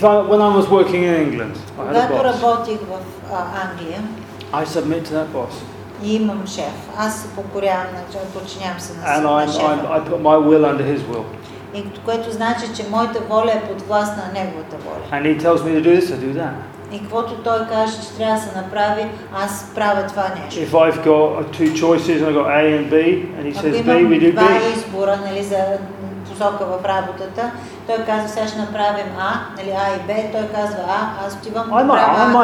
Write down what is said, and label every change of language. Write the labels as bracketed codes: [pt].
[en] When I was working in England, I had a boss. [bg] Работих в Англия. [en] I submit to that boss. [bg] Имам шеф. Аз се покорявам на това, подчинявам се на шефа. [en] And I put my will under his will. [bg] И което значи, че моята воля е подвластна на неговата воля. [en] And he tells me to do this, I do that. [bg] И каквото той каже, че трябва да се направи, аз правя това нещо. [en] If I've got two choices and I've got A and B, and he says B, we do B. [bg] Ако имам два избора, нали, за посока в работата, той казва, сега ще направим А, нали, А и Б, той казва А, аз отивам да правя